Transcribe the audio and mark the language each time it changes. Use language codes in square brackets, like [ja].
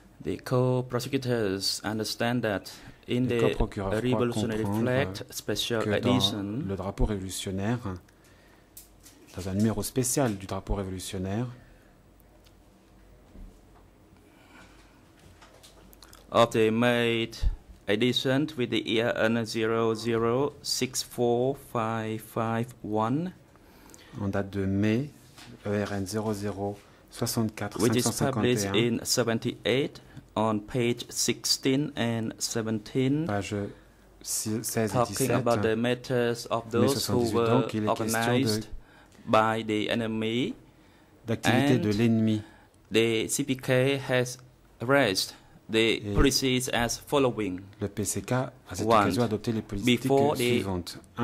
[en] The co-prosecutors understand that in the revolutionary flag special edition, [fr] le drapeau révolutionnaire, dans un numéro spécial du drapeau révolutionnaire, [en] of the made edition with the year 00064551 [fr] en date de mai ERN 00064551 [en] which is published in 78 on page 16 and 17 [fr] page 16 et 17 [en] talking about the matters of those who were organized by the enemy [fr] d'activité de l'ennemi. [en] The CPK has raised the policies as following. [fr] Le PCK a cette occasion adopté les politiques suivantes.